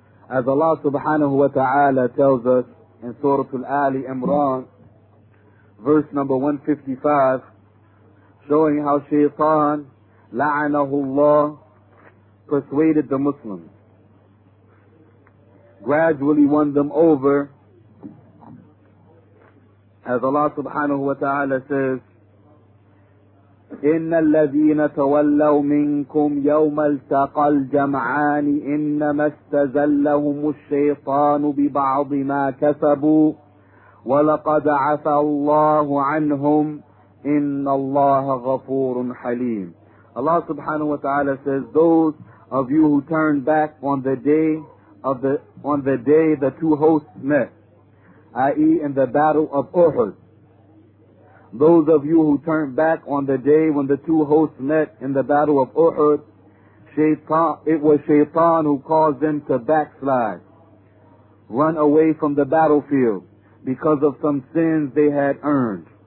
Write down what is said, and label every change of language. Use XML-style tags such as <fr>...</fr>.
<en>As Allah subhanahu wa ta'ala tells us in Surah Al-Ali Imran, verse number 155, showing how Shaitan, la'anahu Allah, persuaded the Muslims, gradually won them over. As Allah subhanahu wa ta'ala says,</en> <ar>إن الذين تولوا منكم يوم التقى الجمعان إنما استزلهم الشيطان ببعض ما كسبوا ولقد عفى الله عنهم إن الله غفور حليم.</ar> <en>Allah subhanahu wa ta'ala says, those of you who turned back on the day the two hosts met, i.e. in the battle of Uhud, those of you who turn back on the day when the two hosts met in the battle of Uhud, it was Shaitan who caused them to backslide, run away from the battlefield because of some sins they had earned.</en>